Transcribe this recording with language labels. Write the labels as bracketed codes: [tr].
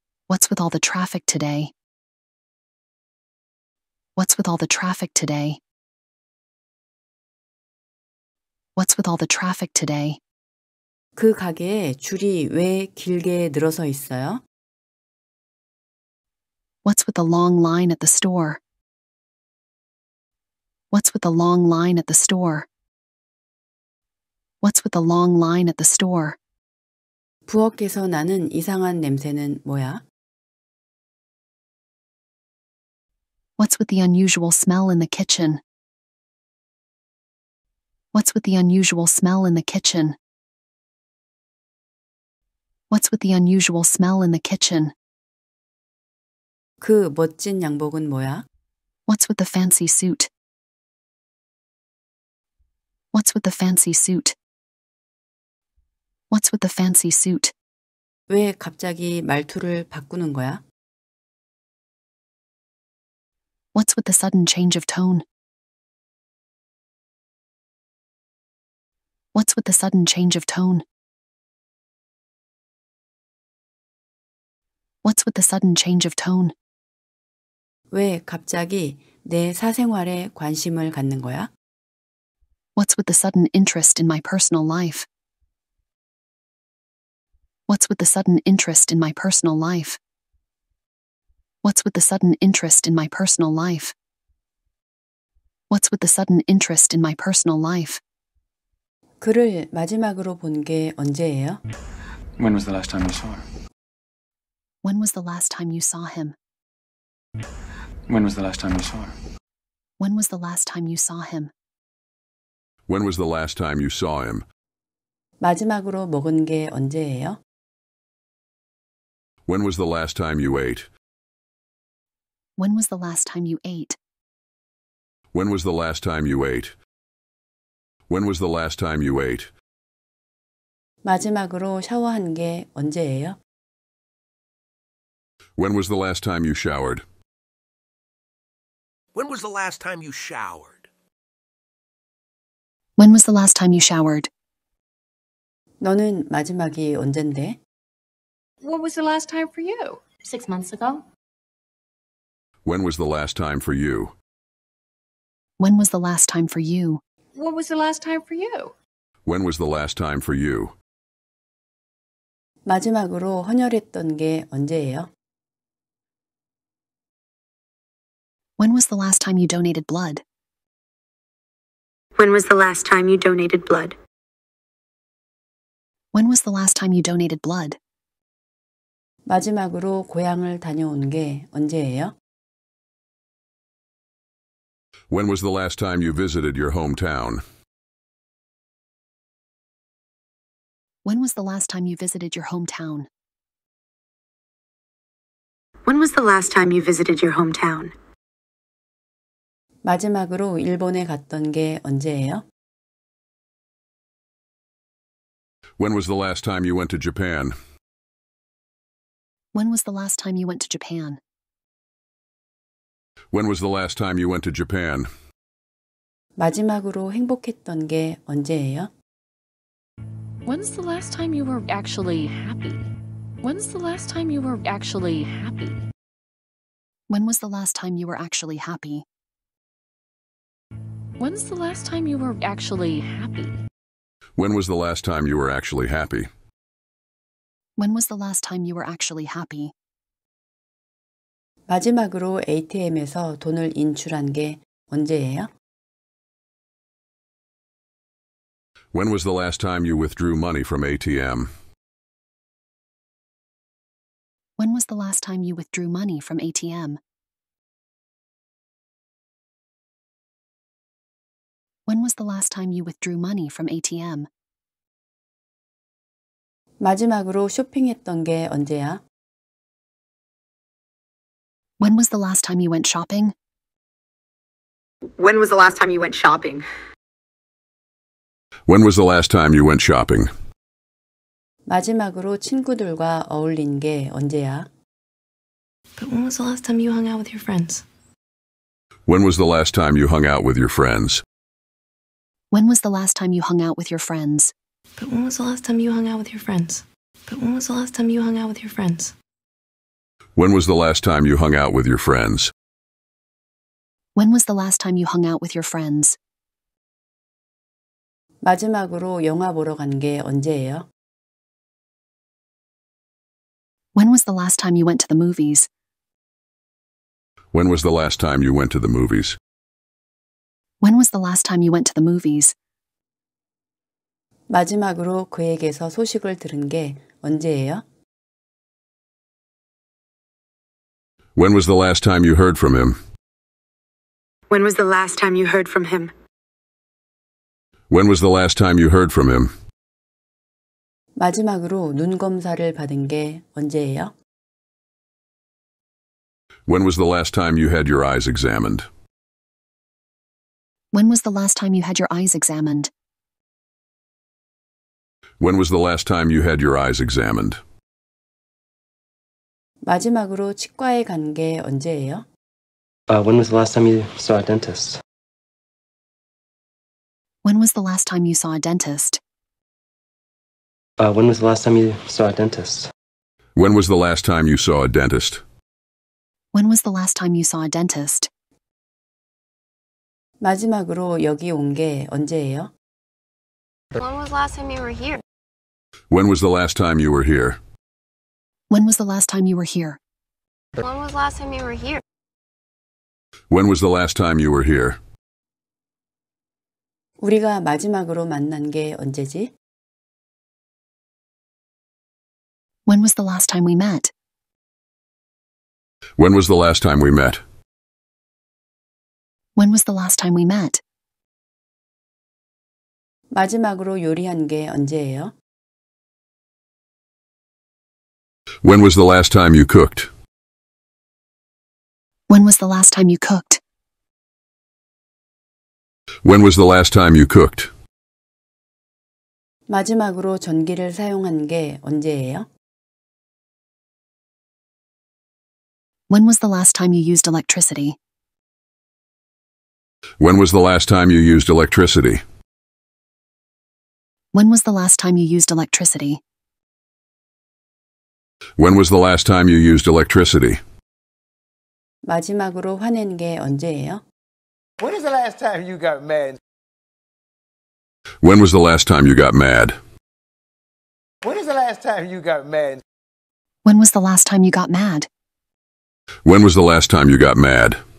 [en] What's with all the traffic today? What's with all the traffic today? What's with all the traffic today? [ko] 그 가게에 줄이 왜 길게 늘어서 있어요? [en] What's with the long line at the store? What's with the long line at the store? What's with the long line at the store? [ko] 부엌에서 나는 이상한 냄새는 뭐야? [en] What's with the unusual smell in the kitchen? What's with the unusual smell in the kitchen? What's with the unusual smell in the kitchen? [ko] 그 멋진 양복은 뭐야? [en] What's with the fancy suit? What's with the fancy suit? What's with the fancy suit? [ko] 왜 갑자기 말투를 바꾸는 거야? [en] What's with the sudden change of tone? What's with the sudden change of tone? What's with the sudden change of tone? [ko] 왜 갑자기 내 사생활에 관심을 갖는 거야? [en] What's with the sudden interest in my personal life? What's with the sudden interest in my personal life? What's with the sudden interest in my personal life? What's with the sudden interest in my personal life? [ko] 그를 마지막으로 본 게 언제예요? [en] When was the last time you saw her? When was the last time you saw him? When was the last time you saw her? When was the last time you saw him? When was the last time you saw him? [ko] 마지막으로 먹은 게 언제예요? [en] When was the last time you ate? When was the last time you ate? When was the last time you ate? When was the last time you ate? [ko] 마지막으로 샤워한 게 언제예요? [en] When was the last time you showered? When was the last time you showered? When was the last time you showered? [ko] 너는 마지막이 언젠데? [en] What was the last time for you? 6 months ago. When was the last time for you? When was the last time for you? What was the last time for you? When was the last time for you? [ko] 마지막으로 헌혈했던 게 언제예요? [en] When was the last time you donated blood? When was the last time you donated blood? When was the last time you donated blood? [ko] 마지막으로 고향을 다녀온 게 언제예요? [en] When was the last time you visited your hometown? When was the last time you visited your hometown? When was the last time you visited your hometown? [ko] 마지막으로 일본에 갔던 게 언제예요? [en] When was the last time you went to Japan? When was the last time you went to Japan? When was the last time you went to Japan? [ko] 마지막으로 행복했던 게 언제예요? [en] When's the last time you were actually happy? When's the last time you were actually happy? When was the last time you were actually happy? When's the last time you were actually happy? When was the last time you were actually happy? When was the last time you were actually happy? [ko] 마지막으로 ATM에서 돈을 인출한 게 언제예요? [en] When was the last time you withdrew money from ATM? When was the last time you withdrew money from ATM? When was the last time you withdrew money from ATM? [ko] 마지막으로 쇼핑했던 게 언제야? [en] When was the last time you went shopping? When was the last time you went shopping? When was the last time you went shopping? [ko] 마지막으로 친구들과 어울린 게 언제야? [en] But when was the last time you hung out with your friends? When was the last time you hung out with your friends? When was the last time you hung out with your friends? But when was the last time you hung out with your friends? But when was the last time you hung out with your friends? When was the last time you hung out with your friends? When was the last time you hung out with your friends? [ko] 마지막으로 영화 보러 간 게 언제예요? [en] When was the last time you went to the movies? When was the last time you went to the movies? When was the last time you went to the movies? [ko] 마지막으로 그에게서 소식을 들은 게 언제예요? [en] When was the last time you heard from him? When was the last time you heard from him? When was the last time you heard from him? [ko] 마지막으로 눈 검사를 받은 게 언제예요? [en] When was the last time you had your eyes examined? When was the last time you had your eyes examined? When was the last time you had your eyes examined? [ko] 마지막으로 치과에 간 게 언제예요? [en] When was the last time you saw a dentist? When was the last time you saw a dentist? When was the last time you saw a dentist? When was the last time you saw a dentist? When was the last time you saw a dentist? [ko] 마지막으로 여기 온 게 언제예요? [en] When was the last time you were here? When was the last time you were here? When was the last time you were here? When was the last time you were here? When was the last time you were here? [ko] 우리가 마지막으로 만난 게 언제지? [en] When was the last time we met? When was the last time we met? When was the last time we met? [ko] 마지막으로 요리한 게 언제예요? [en] When was the last time you cooked? When was the last time you cooked? When was the last time you cooked? [ko] 마지막으로 전기를 사용한 게 언제예요? [en] When was the last time you used electricity? When was the last time you used electricity? When was the last time you used electricity? When was the last time you used electricity? [ko] 마지막으로 화낸 게 언제예요? [en] When was the last time you got mad? When was the last time you got mad? When was the last time you got mad? When was the last time you got mad? When was the last time you got mad?